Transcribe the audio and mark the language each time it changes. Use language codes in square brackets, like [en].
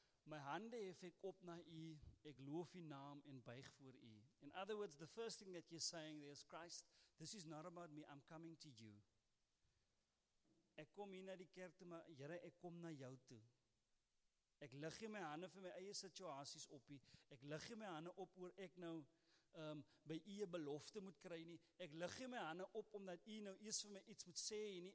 [af] My hande hef ek op na u, ek loof u naam en buig voor u. [en] In other words, the first thing that you're saying there is, Christ, this is not about me, I'm coming to you. [af] Ek kom hier na die kerk toe, maar Here, ek kom na jou toe. Ek lig hier my hande vir my eie situasies op u. Ek lig hier my hande op oor ek nou by u 'n belofte moet kry nie. Ek lig nie my hande op omdat u nou eers vir my iets moet sê nie.